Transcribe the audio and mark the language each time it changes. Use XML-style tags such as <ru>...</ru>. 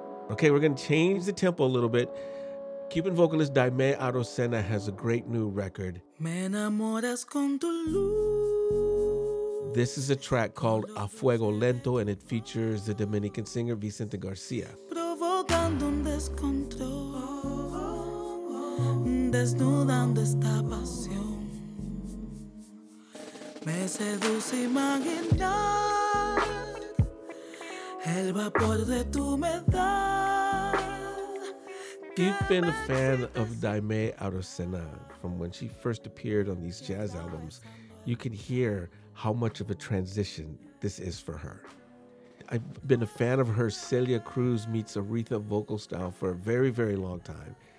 <en>Okay, we're going to change the tempo a little bit. Cuban vocalist Daimé Arocena has a great new record.</en> <es>Me enamoras con tu luz.</es> <en>This is a track called A Fuego Lento, and it features the Dominican singer Vicente García.</en> <es>Provocando un descontrol, desnudando esta pasión. Me seduce imaginar el vapor de tu humedad.</es> <en>You've been a fan of Daimé Arocena from when she first appeared on these jazz albums. You can hear how much of a transition this is for her. I've been a fan of her Celia Cruz meets Aretha vocal style for a very, very long time.</en>